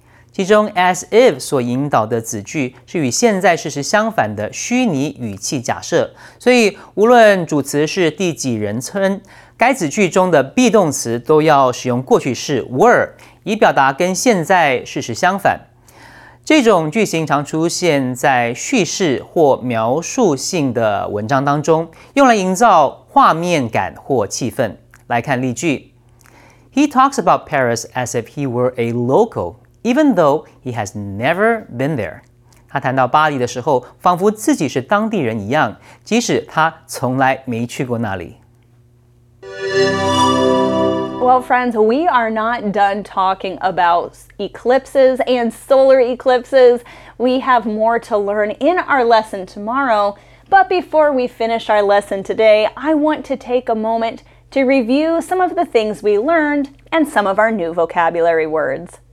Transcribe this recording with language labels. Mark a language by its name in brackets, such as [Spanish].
[Chinese] 其中 as if 所引导的子句是与现在事实相反的虚拟语气假设，所以无论主词是第几人称，该子句中的 be 动词都要使用过去式 were， 以表达跟现在事实相反。这种句型常出现在叙事或描述性的文章当中，用来营造画面感或气氛。来看例句。 [English] He talks about Paris as if he were a local, even though he has never been there. [Chinese] 他谈到巴黎的时候，仿佛自己是当地人一样，即使他从来没去过那里。 [English] Well, friends, we are not done talking about eclipses and solar eclipses. We have more to learn in our lesson tomorrow. But before we finish our lesson today, I want to take a moment to review some of the things we learned and some of our new vocabulary words.